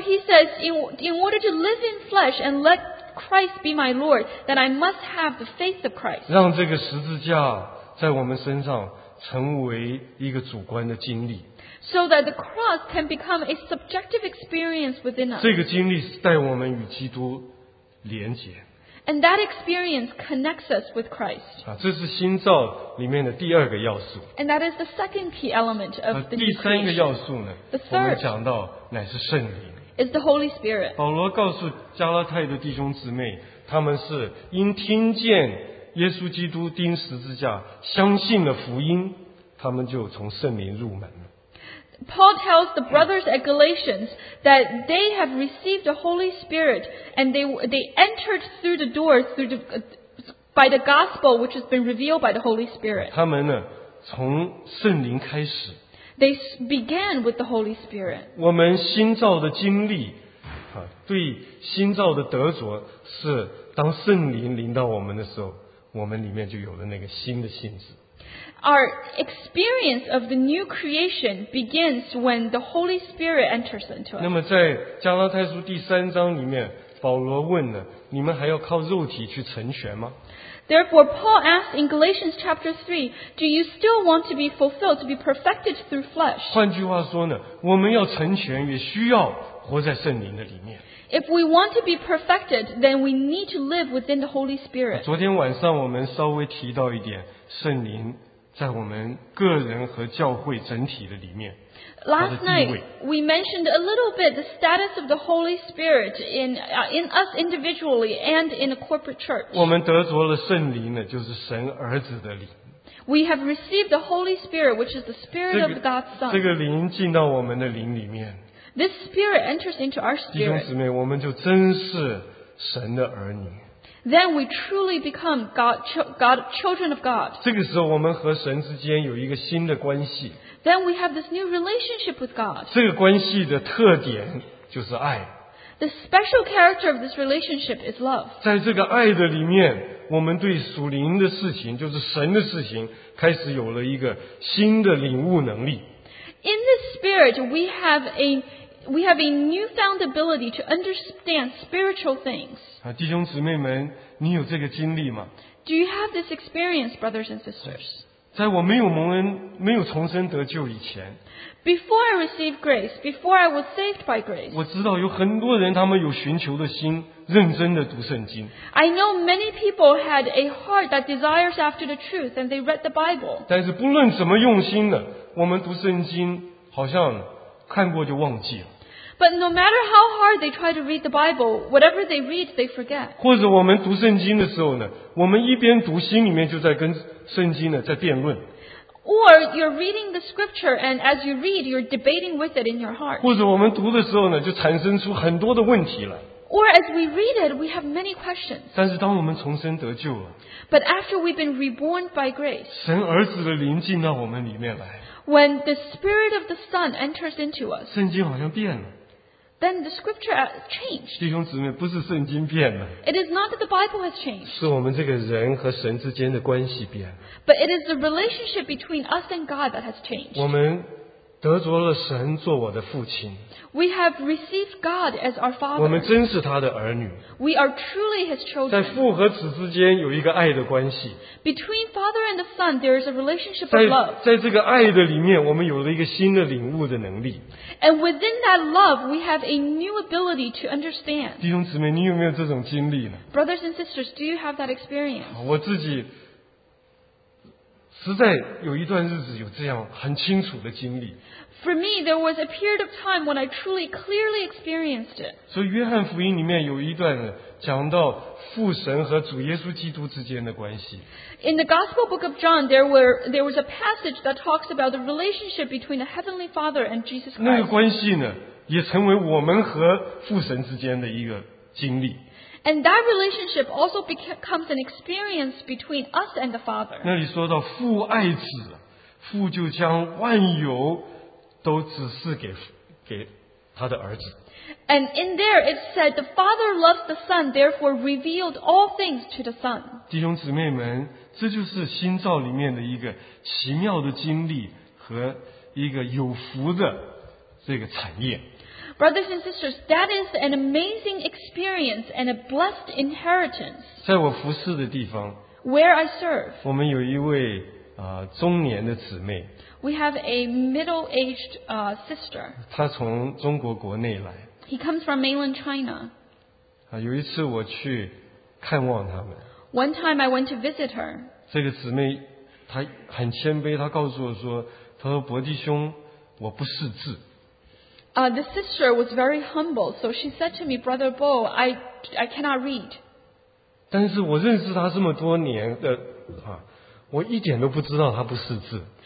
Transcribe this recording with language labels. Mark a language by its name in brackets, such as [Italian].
[English] he says, in order to live in flesh and let Christ be my Lord, then I must have the faith of Christ. [Chinese] 让这个十字架在我们身上成为一个主观的经历。 [English] So that the cross can become a subjective experience within us. [Chinese] 这个经历带我们与基督连结。 [English] And that experience connects us with Christ. [Chinese] 这是新造里面的第二个要素。 [English] And that is the second key element of the new creation. [Chinese] 第三个要素呢, [English] the third [Chinese] 我们讲到乃是圣灵。 [English] Is the Holy Spirit. [Chinese] 保罗告诉加拉太的弟兄姊妹, 他们是因听见耶稣基督钉十字架, 相信了福音, 他们就从圣灵入门了。 [English] Paul tells the brothers at Galatians that they have received the Holy Spirit and they entered through the door through the, by the gospel which has been revealed by the Holy Spirit. [Chinese] 他们呢,从圣灵开始, [English] they began with the Holy Spirit. [Chinese] 我们新造的经历,对新造的得着,是当圣灵临到我们的时候,我们里面就有了那个新的性质。 [English] Our experience of the new creation begins when the Holy Spirit enters into us. [Chinese] 那么在加拉太书第三章里面, 保罗问了, 你们还要靠肉体去成全吗? [English] Therefore, Paul asked in Galatians chapter 3, do you still want to be fulfilled, to be perfected through flesh? [Chinese] 换句话说呢, 我们要成全, 也需要活在圣灵的里面。 [English] If we want to be perfected, then we need to live within the Holy Spirit. [Chinese] 昨天晚上我们稍微提到一点圣灵, 在我们个人和教会整体的里面, [English] Last night, we mentioned a little bit the status of the Holy Spirit in us individually and in a corporate church. [Chinese] 我们得着了圣灵呢, 就是神儿子的灵。 [English] We have received the Holy Spirit, which is the Spirit [Chinese] 这个, [English] of God's Son. [Chinese] 这个灵进到我们的灵里面, [English] this Spirit enters into our spirit. [Chinese] 弟兄姊妹, 我们就真是神的儿女。 [English] Then we truly become children of God. [Chinese] 这个时候我们和神之间有一个新的关系。 [English] Then we have this new relationship with God. [Chinese] 这个关系的特点就是爱。 [English] The special character of this relationship is love. [Chinese] 在这个爱的里面, 我们对属灵的事情, 就是神的事情, 开始有了一个新的领悟能力。 [English] In this spirit, we have a newfound ability to understand spiritual things. [Chinese] 弟兄姊妹们, 你有这个经历吗? [English] Do you have this experience, brothers and sisters? [Chinese] 在我没有蒙恩、没有重生得救以前, [English] before I received grace, before I was saved by grace, [Chinese] 我知道有很多人他们有寻求的心, [English] I know many people had a heart that desires after the truth and they read the Bible. [Chinese] 但是不论怎么用心的,我们读圣经好像看过就忘记了。 [English] But no matter how hard they try to read the Bible, whatever they read, they forget. [Chinese] 或者我们读圣经的时候呢,我们一边读心里面就在跟圣经呢,在辩论。 [English] Or you're reading the scripture and as you read, you're debating with it in your heart. [Chinese] 或者我们读的时候呢,就产生出很多的问题来。 [English] Or as we read it, we have many questions. [Chinese] 但是当我们重生得救了, [English] but after we've been reborn by grace, [Chinese] 神儿子的灵进到我们里面来, [English] when the Spirit of the Son enters into us, [Chinese] 圣经好像变了, [English] then the scripture changed. [Chinese] 弟兄姊妹, 不是圣经变了, [English] it is not that the Bible has changed, [Chinese] 是我们这个人和神之间的关系变了, [English] but it is the relationship between us and God that has changed. [Chinese] 我们得着了神做我的父亲, [English] we have received God as our Father. [Chinese] 我们真是他的儿女, [English] we are truly His children. [Chinese] 在父和子之间有一个爱的关系, [English] between Father and the Son, there is a relationship of love. [Chinese] 在这个爱的里面, 我们有了一个新的领悟的能力。 [English] And within that love, we have a new ability to understand. [Chinese] 弟兄姊妹, 你有没有这种经历呢? [English] Brothers and sisters, do you have that experience? [Chinese] 我自己 实在有一段日子有这样很清楚的经历。 [English] For me, there was a period of time when I truly, clearly experienced it. [Chinese] 所以约翰福音里面有一段讲到父神和主耶稣基督之间的关系。 [English] In the Gospel Book of John, there was a passage that talks about the relationship between the Heavenly Father and Jesus Christ. [Chinese] 那个关系呢, 也成为我们和父神之间的一个经历。 [English] And that relationship also becomes an experience between us and the Father. [Chinese] 那里说到父爱子, 父就将万有都指示给他的儿子。 [English] And in there it said, the Father loves the Son, therefore revealed all things to the Son. [Chinese] 弟兄姊妹们, 这就是新造里面的一个奇妙的经历和一个有福的这个产业。 [English] Brothers and sisters, that is an amazing experience and a blessed inheritance. [Chinese] 在我服侍的地方, [English] where I serve, [Chinese] 我们有一位, 中年的姊妹, [English] we have a middle-aged sister. [Chinese] 她从中国国内来, [English] he comes from mainland China. [Chinese] 有一次我去看望他们, [English] one time I went to visit her. [Chinese] 这个姊妹, 她很谦卑, 她告诉我说, 她说, 伯弟兄, 我不识字。 [English] The sister was very humble, so she said to me, Brother Bo, I cannot read. [Chinese] 但是我认识他这么多年的, 我一点都不知道他不识字。